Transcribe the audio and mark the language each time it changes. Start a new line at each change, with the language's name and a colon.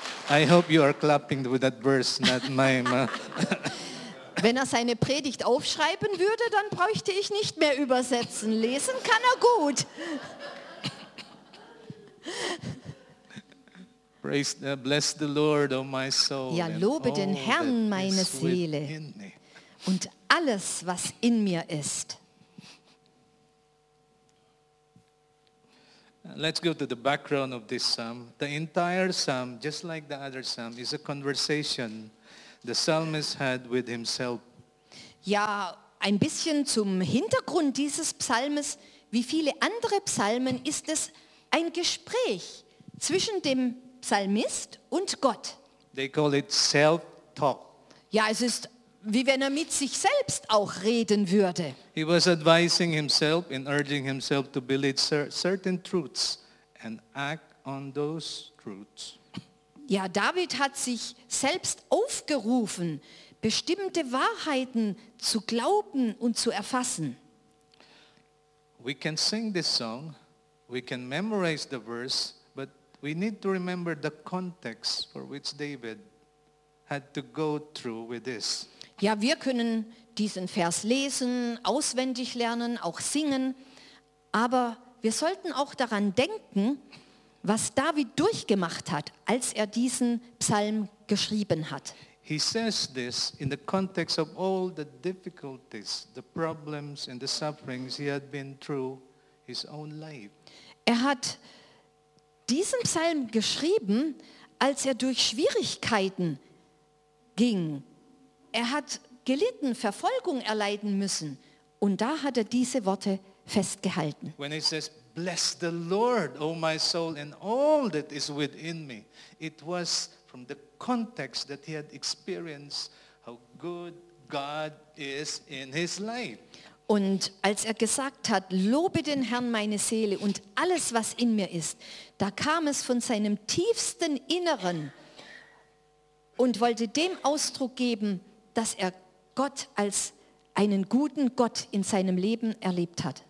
English: I hope you are clapping with that verse, not my mouth.
German: Wenn er seine Predigt aufschreiben würde, dann bräuchte ich nicht mehr übersetzen. Lesen kann er gut.
English: Praise the, bless the Lord, oh my soul.
German: Ja, lobe den Herrn, meine Seele, und alles, was in mir ist.
English: Let's go to the background of this psalm. The entire psalm, just like the other psalm, is a conversation the psalmist had with himself.
German: Ja, ein bisschen zum Hintergrund dieses Psalmes, wie viele andere Psalmen, ist es ein Gespräch zwischen dem Psalmist und Gott.
English: They call it self-talk.
German: Ja, es ist wie wenn er mit sich selbst auch reden würde.
English: He was advising himself and urging himself to believe certain truths and act on those truths.
German: Ja, David hat sich selbst aufgerufen, bestimmte Wahrheiten zu glauben und zu erfassen.
English: We can sing this song, we can memorize the verse, but we need to remember the context for which David had to go through with this.
German: Ja, wir können diesen Vers lesen, auswendig lernen, auch singen, aber wir sollten auch daran denken, was David durchgemacht hat, als er diesen Psalm geschrieben hat.
English: He says this in the context of all the difficulties, the problems and the sufferings he had been through his own life.
German: Er hat diesen Psalm geschrieben, als er durch Schwierigkeiten ging. Er hat gelitten, Verfolgung erleiden müssen. Und da hat er diese Worte festgehalten.
English: When it says, bless the Lord, O my soul, and all that is within me. It was from the context that he had experienced how good God is in his life.
German: Und als er gesagt hat, lobe den Herrn, meine Seele, und alles, was in mir ist, da kam es von seinem tiefsten Inneren und wollte dem Ausdruck geben, dass er Gott als einen guten Gott in seinem Leben erlebt hat.